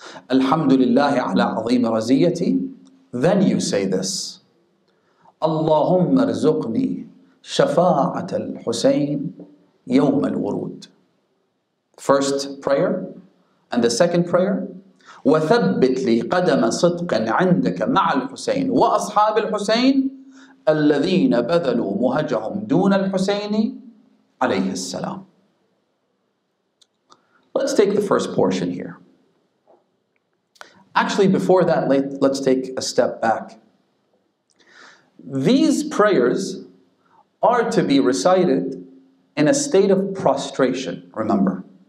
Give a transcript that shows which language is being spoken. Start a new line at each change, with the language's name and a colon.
Arabic: Alhamdulillahi ala azim raziyati.
English: Then you say this.
Arabic: Allahumma rizqni shafa'at al-Husayn yawm al-wurud.
English: First prayer and the second prayer.
Arabic: وثبت لي قدم صدقا عندك مع الحسين وأصحاب الحسين الذين بذلوا مهجهم دون الحسين عليه السلام.
English: Let's take the first portion here. Actually, before that, let's take a step back. These prayers are to be recited in a state of prostration, remember.